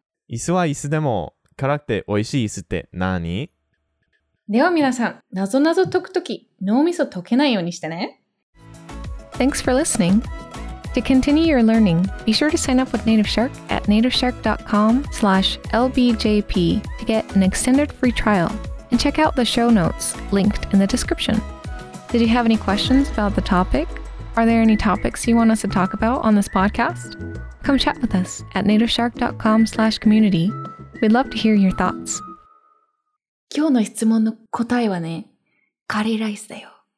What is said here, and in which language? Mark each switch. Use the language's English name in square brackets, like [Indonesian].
[Japanese] 椅子は椅子でも、辛くて美味しい椅子って何？では皆さん、謎々解くとき、脳みそ解けないようにしてね。 [English] Thanks for listening. To continue your learning, be sure to sign up with Native Shark at nativeshark.com/lbjp to get an extended free trial and check out the show notes linked in the description. Did you have any questions about the topic? Are there any topics you want us to talk about on this podcast? Come chat with us at nativeshark.com/community. We'd love to hear your thoughts. [Japanese] 今日の質問の答えはね、カレーライスだよ。